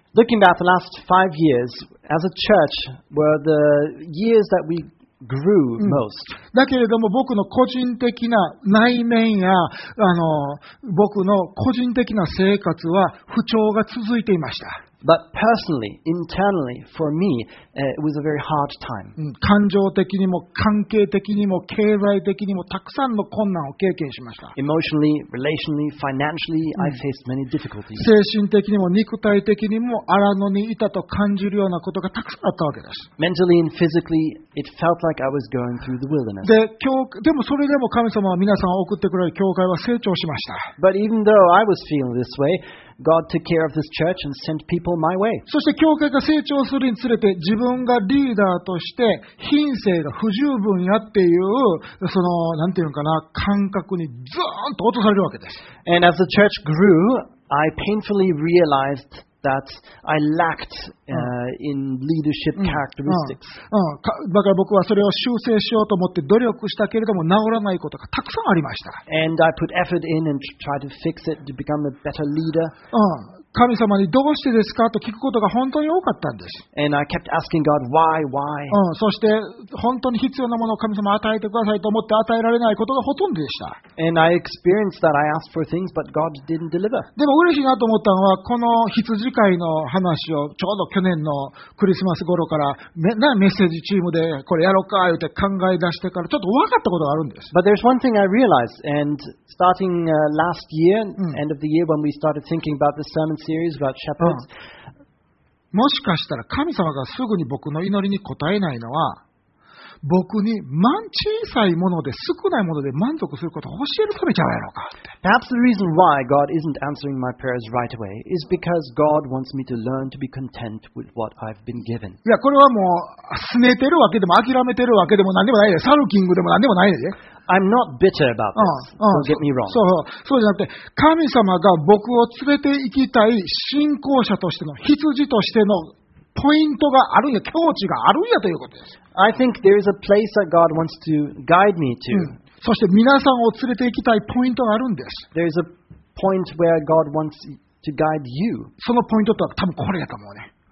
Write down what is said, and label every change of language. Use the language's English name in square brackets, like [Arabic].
[English] Looking back the last five years, as a church, were the years that we grew most. [Japanese] だけれども僕の個人的な内面や僕の個人的な生活は不調が続いていました。 [English] But personally, internally, for me, it was a very hard time. [Japanese] 感情的にも関係的にも経済的にもたくさんの困難を経験しました。 [English] Emotionally, relationally, financially, I faced many difficulties. [Japanese] 精神的にも肉体的にも荒野にいたと感じるようなことがたくさんあったわけです。 [English] Mentally and physically, it felt like I was going through the wilderness. [Japanese] でもそれでも神様は皆さんを送ってくれる教会は成長しました。 [English] But even though I was feeling this way,God took care of this church and sent people my way. [Japanese] そして教会が成長するにつれて、自分がリーダーとして品性が不十分やっていうそのなんていうのかな感覚にズーンと落とされるわけです。 [English] And as the church grew, I painfully realized that I lacked in leadership characteristics. [Japanese] だから僕はそれを修正しようと思って努力したけれども治らないことがたくさんありました。 [English] And I put effort in and tried to fix it to become a better leader. [Japanese] 神様にどうしてですかと聞くことが本当に多かったんです。 [English] And I kept asking God why, why? [Japanese] そして本当に必要なものを神様与えてくださいと思って与えられないことがほとんどでした。 [English] And I experienced that I asked for things but God didn't deliver. [Japanese] でも嬉しいなと思ったのはこの羊飼いの話をちょうど去年のクリスマス頃からメッセージチームでこれやろうか言って考え出してからちょっと分かったことがあるんです。 [English] But there's one thing I realized and starting last year, end of the year when we started thinking about this sermon. Series about shepherds. [Japanese] もしかしたら神様がすぐに僕の祈りに応えないのは僕に小さいもので少ないもので満足することを教えるためじゃないのか。 [English] Perhaps the reason why God isn't answering my prayers right away is because God wants me to learn to be content with what I've been given. [Japanese] いやこれはもう拗ねてるわけでも諦めてるわけでも何でもないで、サルキングでも何でもないで。 [English] I'm not bitter about this. Don't get me wrong. [Japanese] そうじゃなくて、神様が僕を連れて行きたい信仰者としての羊としてのポイントがあるんや、境地があるんやということです。 [English] I think there is a place that God wants to guide me to. [Japanese] そして皆さんを連れて行きたいポイントがあるんです。 [English] There is a point where God wants to guide you. [Japanese] そのポイントとは多分これやと思うね。